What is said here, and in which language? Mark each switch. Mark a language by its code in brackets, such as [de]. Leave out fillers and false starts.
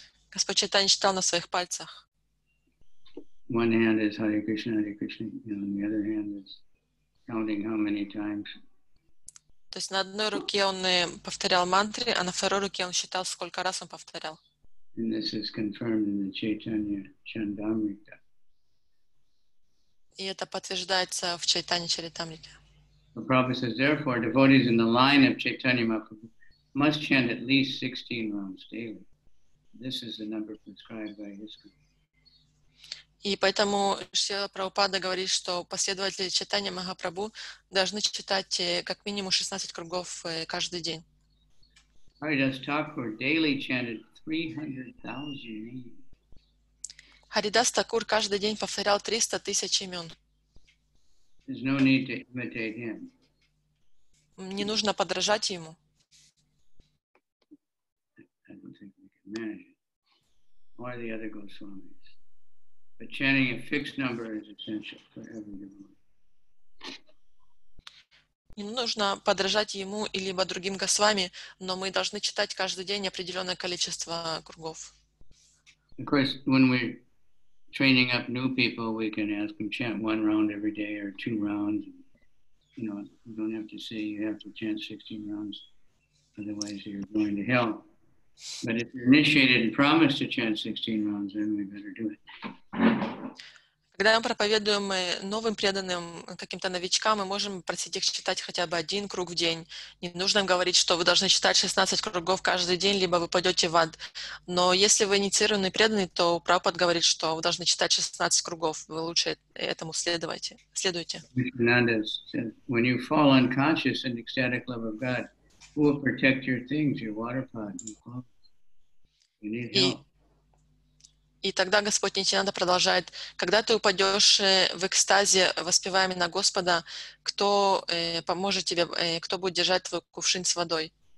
[ru] Господь Чайтанья читал на своих пальцах. [en] One hand is Hare Krishna, and on the other hand is counting how many times. [ru] То есть на одной руке он повторял мантры, а на второй руке он считал, сколько раз он повторял. [en] And this is confirmed in the Chaitanya Charitamrita. [ru] И это подтверждается в Чайтанья Чаритамрите. [en] The Prabhupada says, therefore, devotees in the line of Chaitanya Mahaprabhu must chant at least 16 rounds daily. This is the number prescribed by ISKCON. [ru] И поэтому Шрила Прабхупада говорит, что последователи читания Махапрабху должны читать как минимум 16 кругов каждый день. [en] Харидас Такур daily chanted 300,000 names. [ru] Харидас Такур каждый день повторял 300 тысяч имен. [en] There's no need to imitate him. [ru] Не нужно подражать ему. [en] I don't think we can manage it. Or the other Goswami. But chanting a fixed number is essential for every devotee. [ru] Не нужно подражать ему или либо другим госвами, но мы должны читать каждый день определенное количество кругов. [en] Of course, when we're training up new people, we can ask them chant one round every day or two rounds. You know, you don't have to say you have to chant 16 rounds, otherwise you're going to hell. But if you're initiated and promised to chant 16 rounds, then we better do it. [ru] Когда мы проповедуем новым преданным каким-то новичкам, мы можем просить их читать хотя бы один круг в день. Не нужно им говорить, что вы должны читать 16 кругов каждый день, либо вы пойдете в ад. Но если вы инициированный преданный, то Прабхупад говорит, что вы должны читать 16 кругов. Вы лучше этому следуйте. [en] Fernandez says, when you fall unconscious in ecstatic love of God, who will protect your things, your water pot, your clothes? You need help. [ru] И тогда Господь Нитянанда продолжает, когда ты упадешь в экстазе, воспевая имена Господа, кто поможет тебе, кто будет держать твой кувшин с водой?